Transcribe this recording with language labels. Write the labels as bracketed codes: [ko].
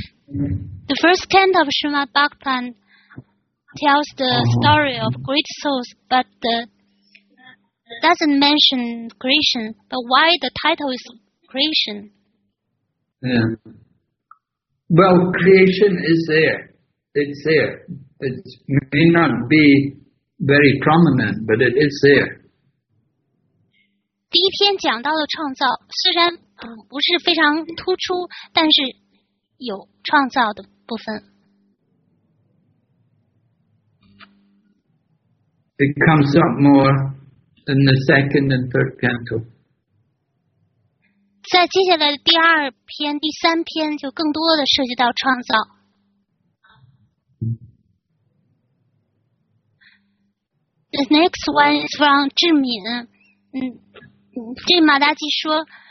[en] The first canto of Srimad Bhagavatam tells the story of great souls, but doesn't mention creation. But why the title is creation? Yeah. Well, creation is there. It's there. It may not be very prominent, but it is there. [zh] 第一篇讲到了创造，虽然不是非常突出，但是有创造的部分。 [en] It comes up more in the second and third canto. [zh] 在接下来的第二篇、第三篇就更多的涉及到创造。 [en] The next one is from 智敏， [zh] 这马大吉说。